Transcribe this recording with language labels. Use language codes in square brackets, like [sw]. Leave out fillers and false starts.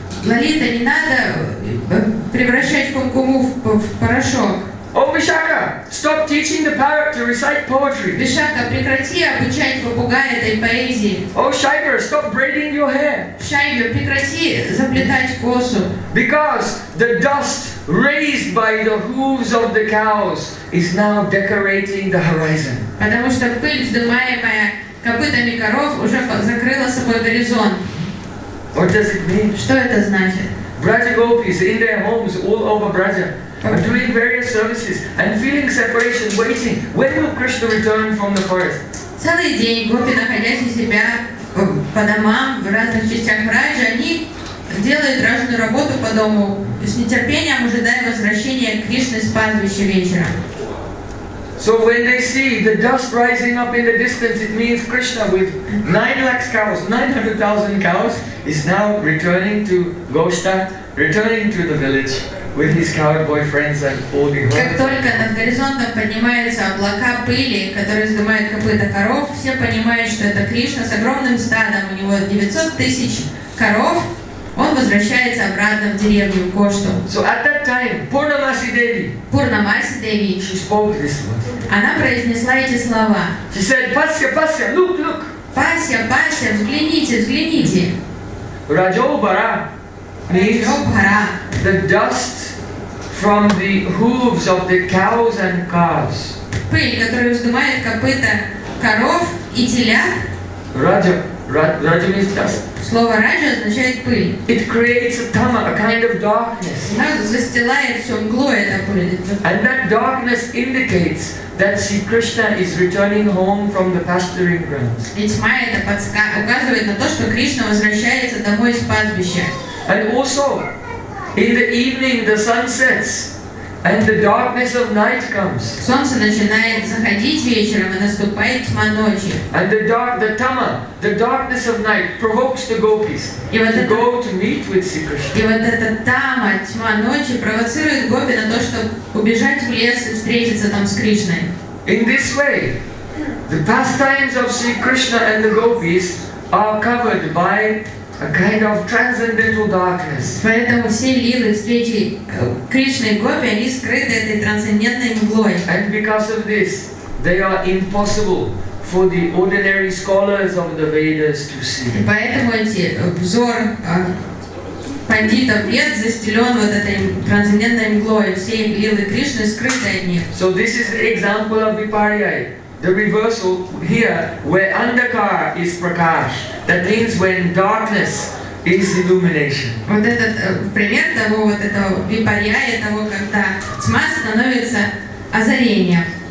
[ru] Лолита, не надо превращать кумкуму в порошок. [en] О, Вишака, stop teaching the parrot to recite poetry. [ru] Вишака, прекрати обучать попугая этой поэзии. [en] О, Шайбер, stop braiding your hair. [ru] Шайбер, прекрати заплетать косу. [en] Because the dust raised by the hooves of the cows is now decorating the horizon. [ru] Потому что пыль, вздымаемая копытами коров, уже закрыла собой горизонт. [en] What does it mean? [ru] Что это значит? [en] Braja gopis in their homes all over Braja are doing various services and feeling separation, waiting. When will Krishna return from the forest? [ru] Целый день гопи, находясь у себя по домам в разных частях Браджа, они делают разную работу по дому, с нетерпением ожидая возвращения Кришны с пастбища вечером. [en] So when they see the dust rising up in the distance, it means Krishna with 9 lakh cows, 900,000 cows, is now returning to Goshta, returning to the village with his cowboy friends and all the horses. [ru] Как только над горизонтом поднимаются облака пыли, которые сдымают копыта коров, все понимают, что это Кришна с огромным стадом, у него 900 тысяч коров, он возвращается обратно в деревню Кошту. [en] So at that time, Purnamasi Devi. Purnamasi Devi. She spoke this word. [ru] Она произнесла эти слова. [en] She said, Pasya, Pasya, look, look. [ru] Pasya, Pasya, взгляните, взгляните. [en] Rajobara means Rajobara. The dust from the hooves of the cows and calves. [ru] Пыль, которую вздымает копыта коров и телят. [en] Raja. Raja means dust. [ru] Слово Раджа означает пыль. [en] It creates a tama, a kind of darkness. [ru] Она застилает всю мглу, эта пыль. [en] And that darkness indicates that Sri Krishna is returning home from the pasturing grounds. [ru] И тьма это указывает на то, что Кришна возвращается домой из пастбища. [en] And also, in the evening the sun sets and the darkness of night comes. [ru] Солнце начинает заходить вечером, и наступает тьма ночи. [en] And the dark, the tama, the darkness of night provokes the gopis to go to meet with Sri Krishna. [ru] И вот эта тама, тьма ночи, провоцирует гопи на то, чтобы убежать в лес и встретиться там с Кришной. [en] In this way, the pastimes of Sri Krishna and the gopis are covered by a kind of transcendental darkness. [ru] Поэтому все лилы встречи Кришны и Гопи, они скрыты этой трансцендентной мглой. [en] And because of this, they are impossible for the ordinary scholars of the Vedas to see. [ru] Поэтому эти взор пандитов Вед застелен вот этой трансцендентной мглой, все лилы Кришны скрыты от них. [en] So this is the example of Vipariyai. The reversal here, where Andhakar is Prakash, that means when darkness is illumination. [ru] Вот этот пример того, вот этого випарьяя, того, когда тьма становится озарением.